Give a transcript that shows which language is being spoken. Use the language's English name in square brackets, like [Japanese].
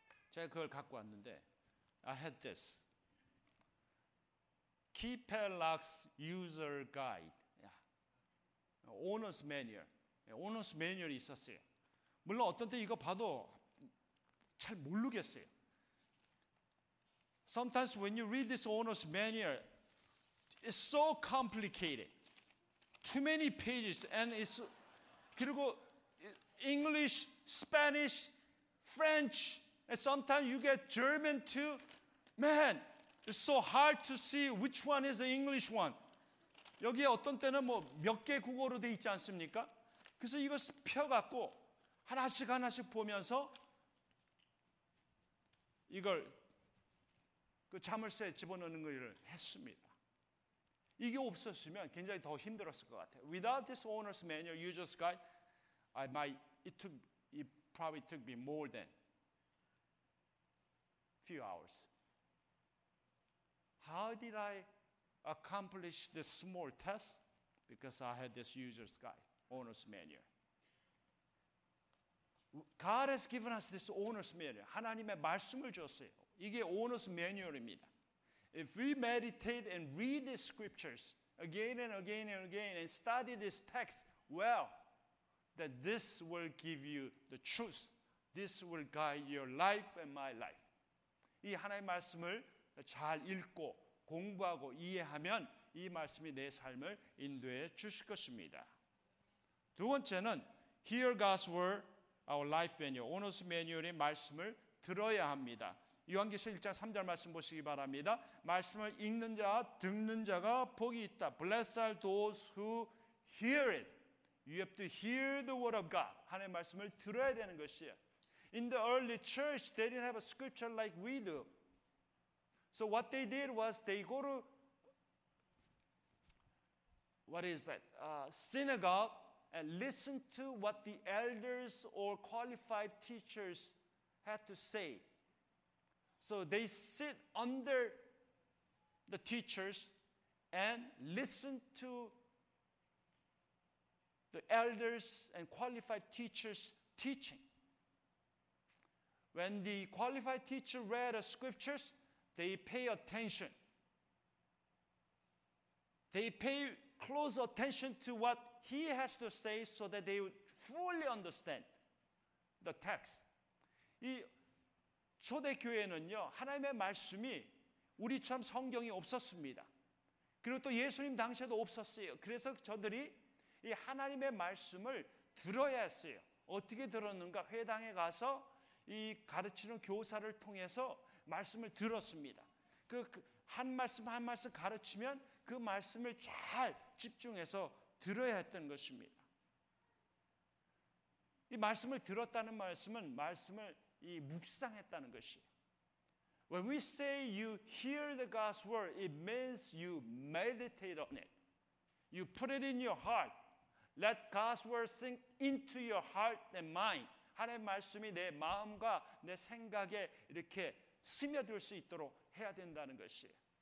[Korean] 제가 그걸 갖고 왔는데 [English] I had this. Keypad Locks User Guide. Yeah. Owner's Manual. Yeah. [Korean] Owner's Manual이 있었어요. 물론 어떤 때 이거 봐도 잘 모르겠어요. [English] Sometimes when you read this owner's manual, it's so complicated. Too many pages and it's 그리고 English, Spanish, French, and sometimes you get German too. Man, it's so hard to see which one is the English one. [Korean] 여기에 어떤 때는 뭐 몇 개 국어로 돼 있지 않습니까? 그래서 이거 펴갖고 하나씩 하나씩 보면서 이걸 그 자물쇠 집어넣는 걸 했습니다. 이게 없었으면 굉장히 더 힘들었을 것 같아요. [English] Without this owner's manual, user's guide, I might It probably took me more than few hours. How did I accomplish this small task? Because I had this user's guide, owner's manual. God has given us this owner's manual. [Korean] 하나님의 말씀을 줬어요. 이게 owner's manual입니다. [English] If we meditate and read the scriptures again and again and again and study this text well, that this will give you the truth. This will guide your life and my life. [Korean] 이 하나님의 말씀을 잘 읽고 공부하고 이해하면 이 말씀이 내 삶을 인도해 주실 것입니다. 두 번째는 [English] Hear God's word, our life manual. [Korean] Owner's manual의 말씀을 들어야 합니다. 요한계시록 1장 3절 말씀 보시기 바랍니다. 말씀을 읽는 자, 듣는 자가 복이 있다. [English] Blessed are those who hear it. You have to hear the word of God. [Korean] 하나님의 말씀을 들어야 되는 것이에요. [English] In the early church, they didn't have a scripture like we do. So what they did was they go to, what is that? Synagogue and listen to what the elders or qualified teachers had to say. So they sit under the teachers and listen to the elders and qualified teachers teaching. When the qualified teacher read the scriptures, they pay attention. They pay close attention to what he has to say so that they would fully understand the text. [Korean] 이 초대교회는요, 하나님의 말씀이 우리처럼 성경이 없었습니다. 그리고 또 예수님 당시에도 없었어요. 그래서 저들이 이 하나님의 말씀을 들어야 했어요. 어떻게 들었는가? 회당에 가서 이 가르치는 교사를 통해서 말씀을 들었습니다. 그 한 말씀 한 말씀 가르치면 그 말씀을 잘 집중해서 들어야 했던 것입니다. 이 말씀을 들었다는 말씀은 말씀을 이 묵상했다는 것이에요. [English] When we say you hear the God's word, it means you meditate on it. You put it in your heart. Let God's word sink into your heart and mind. [Korean] 하나님의 말씀이 내 마음과 내 생각에 이렇게 스며들 수 있도록 해야 된다는 것이에요.